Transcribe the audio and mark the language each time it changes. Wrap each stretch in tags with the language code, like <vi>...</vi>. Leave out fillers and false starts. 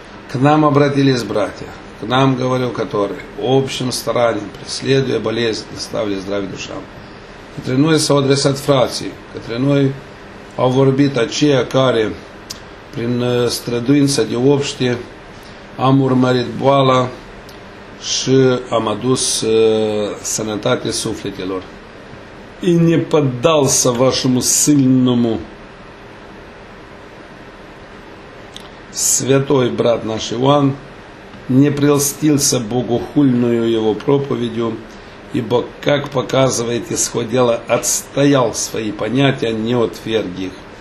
<ru>К нам обратились братья, к нам, говорю, которые общим старанием, преследуя болезнь, ставили здравие душам.</ru> <ro>Către noi s-au adresat frații, către noi au vorbit aceia care, prin străduința de obște, am urmărit boala și am adus sănătate sufletelor.</ro> <ru>И не поддался вашему сильному. Святой брат наш Иоанн не прельстился богохульною его проповедью ибо, как показывает исход дела, отстоял свои понятия, не отверг их.</ru>